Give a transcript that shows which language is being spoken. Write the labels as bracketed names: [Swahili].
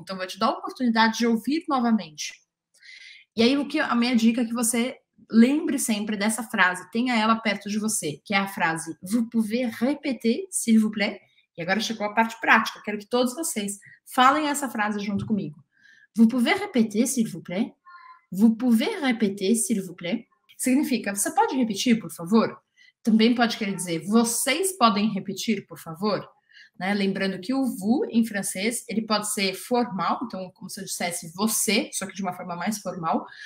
[Portuguese] Então, vai te dar a oportunidade de ouvir novamente. E aí, a minha dica é que você lembre sempre dessa frase, tenha ela perto de você, que é a frase: [French] vous pouvez répéter, s'il vous plaît? [Portuguese] E agora chegou a parte prática. Quero que todos vocês falem essa frase junto comigo. [French] Vous pouvez répéter, s'il vous plaît? Vous pouvez répéter, s'il vous plaît? [Portuguese] Significa, você pode repetir, por favor? Também pode querer dizer, vocês podem repetir, por favor? Né? Lembrando que o vous, em francês, ele pode ser formal. Então, como se eu dissesse você, só que de uma forma mais formal.